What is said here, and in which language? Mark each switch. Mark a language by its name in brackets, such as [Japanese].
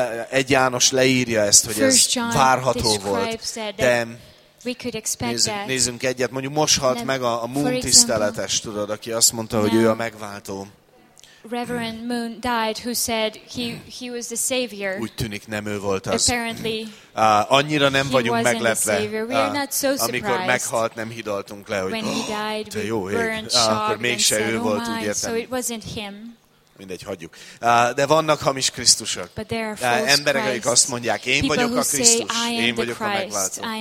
[Hungarian] Egy János leírja ezt, hogy ez várható volt. [English] We could expect [Hungarian] nézzünk egyet, mondjuk most halt meg a Moon tiszteletes, tudod, aki azt mondta, hogy ő a megváltó. [English] Reverend Moon died, who said he was the savior. [Hungarian] Úgy tűnik, nem ő volt az. [English] Apparently, [Hungarian] annyira nem vagyunk meglepve, [English] so [Hungarian] amikor meghalt, nem hidaltunk le, hogy te jó ég, akkor mégse ő volt, úgy értem. [English] So it wasn't him. [Hungarian] Mindegy, hagyjuk. De vannak hamis Krisztusok. Emberek, akik azt mondják, én vagyok a Krisztus, én vagyok a megváltó.